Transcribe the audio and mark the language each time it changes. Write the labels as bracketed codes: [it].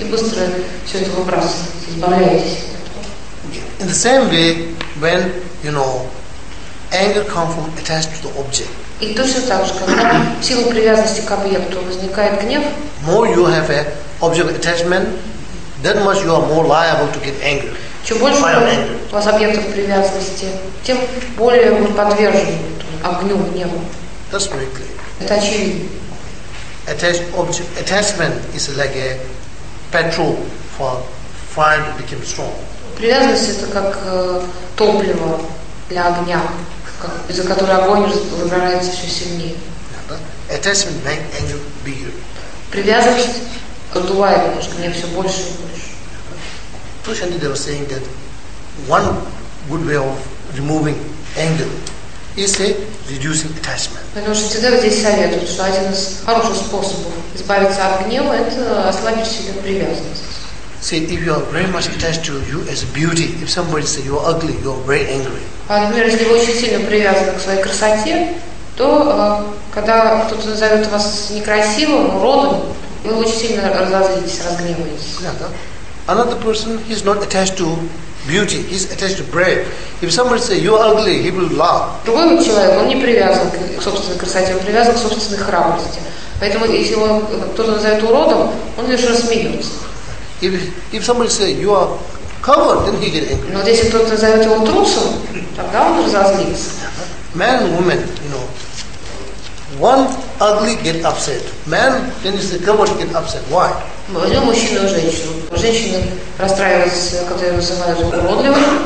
[ru] И быстро все это выбрасывать, избавляйтесь. [en] In the same way, when, you know, anger comes from attached to the object. [ru] И точно так же, когда в силу привязанности к объекту возникает гнев, [en] more you have a object attachment, that much you are more liable to get angry. [ru] Чем больше у вас объектов привязанности, тем более вы подвержены огню, гневу. [en] That's very clear. [ru] Это очевидно. [en] Attachment is like a petrol for fire to become strong. [ru] Привязанность это как топливо для огня, из-за которого огонь выгорается все сильнее. [en] Yeah, attachment makes anger bigger. [ru] Привязанность отдувает, потому что мне все больше и больше. [en] Тушанди, they were saying that one good way of removing anger is a reducing attachment. [ru] Потому что Сидева здесь советует, что один из хороших способов избавиться от гнева – это ослабить себе привязанность. [en] See, if you are very much attached to you as beauty, if somebody says you are ugly, you are very angry. [ru] Например, если вы очень сильно привязаны к своей красоте, то когда кто-то назовет вас некрасивым, уродом, вы очень сильно разозлитесь, разгневаетесь. [en] Yeah, another person is not attached to beauty, he's attached to bread. If somebody says you are ugly, he will laugh. [ru] Другой человек, он не привязан к собственной красоте, он привязан к собственной храбрости. Поэтому если его кто-то назовет уродом, он лишь рассмеется. [en] If somebody says you are coward, then he get angry. [ru] Но вот если кто-то назовет его трусом, тогда он разозлится. [en] Man, woman, you know. One ugly get upset. Man, then is the coward get upset. Why? [ru] Возьмем мужчину и женщину. Женщина расстраивается, когда ее называют уродливым.